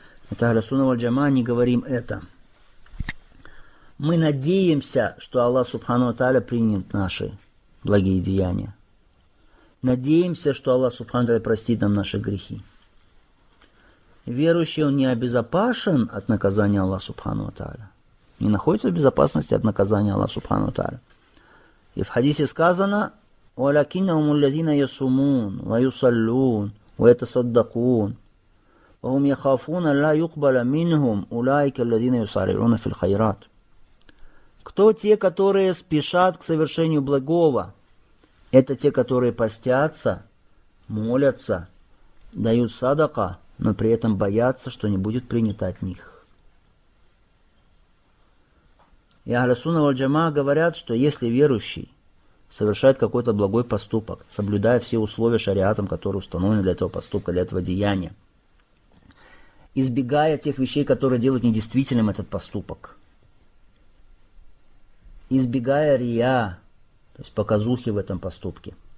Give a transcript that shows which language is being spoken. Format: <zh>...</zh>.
<ru>Это Ахля Сунна валь Джамаа, не говорим это. Мы надеемся, что Аллах Субхану Тааля примет наши благие деяния. Надеемся, что Аллах Субхану Тааля простит нам наши грехи. Верующий, он не обезопасен от наказания Аллаха Субхану Тааля. Не находится в безопасности от наказания Аллаха Субхану Тааля. И в хадисе сказано...</ru> <ar>ولكنهم الذين يصومون ويصلون ويتصدقون وهم يخافون لا يقبل منهم أولئك الذين يسارعون في الخيرات.</ar> <ru>Кто те, которые спешат к совершению благого? Это те, которые постятся, молятся, дают садака, но при этом боятся, что не будет принято от них. И Ахля Сунна валь Джамаа говорят, что если верующий совершает какой-то благой поступок, соблюдая все условия шариатом, которые установлены для этого поступка, для этого деяния, избегая тех вещей, которые делают недействительным этот поступок, избегая рия, то есть показухи в этом поступке,</ru>